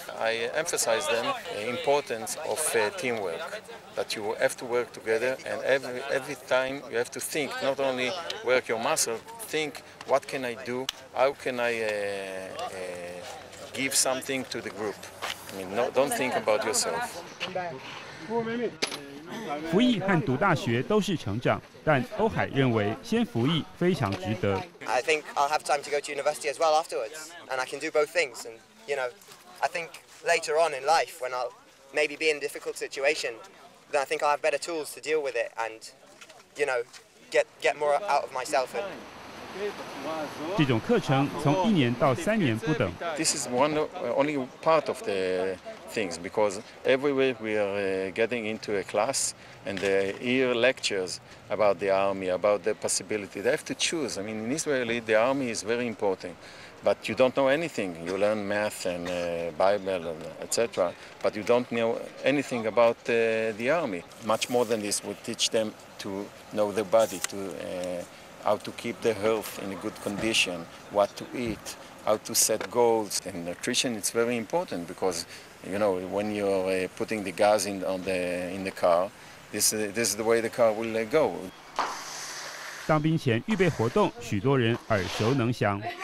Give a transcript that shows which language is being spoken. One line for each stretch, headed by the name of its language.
English: I emphasize them the importance of teamwork, that you have to work together. And every time you have to think, not only work your muscle, think, what can I do? How can I give something to the group? I mean, no, don't think about yourself.
Chinese: 服役和读大学都是成长，但欧海认为先服役非常值得。
English: I think I'll have time to go to university as well afterwards, and I can do both things. And you know, I think later on in life, when I'll maybe be in a difficult situation, then I think I'll have better tools to deal with it, and you know, get more out of myself. And...
Chinese: 这种课程从一年到三年不等。
English: This is one only part of the things because every week we are getting into a class and they hear lectures about the army, about the possibility. They have to choose. I mean, in Israel, the army is very important, but you don't know anything. You learn math and Bible and etc., but you don't know anything about the army. Much more than this would teach them to know the body to. How to keep the health in a good condition, what to eat, how to set goals. And nutrition is very important because, you know, when you're putting the gas in the car, this is the way the car will go.
Chinese: 当兵前预备活动，许多人耳熟能详。